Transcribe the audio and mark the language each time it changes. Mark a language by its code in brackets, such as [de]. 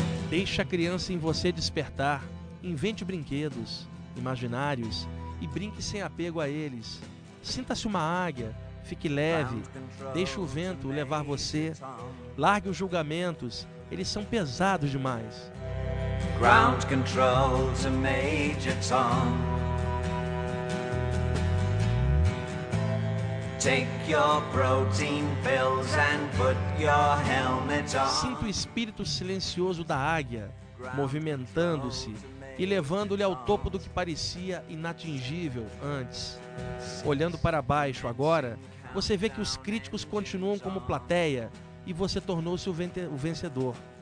[pt] Deixe a criança em você despertar. Invente brinquedos imaginários e brinque sem apego a eles. Sinta-se uma águia. Fique leve. Deixe o vento levar você. Largue os julgamentos. Eles são pesados demais. [en] Ground control to Major Tom. Take your protein pills and put your helmet on. [pt] Sinta o espírito silencioso da águia, movimentando-se e levando-lhe ao topo do que parecia inatingível antes. Olhando para baixo agora, você vê que os críticos continuam como plateia e você tornou-se o vencedor.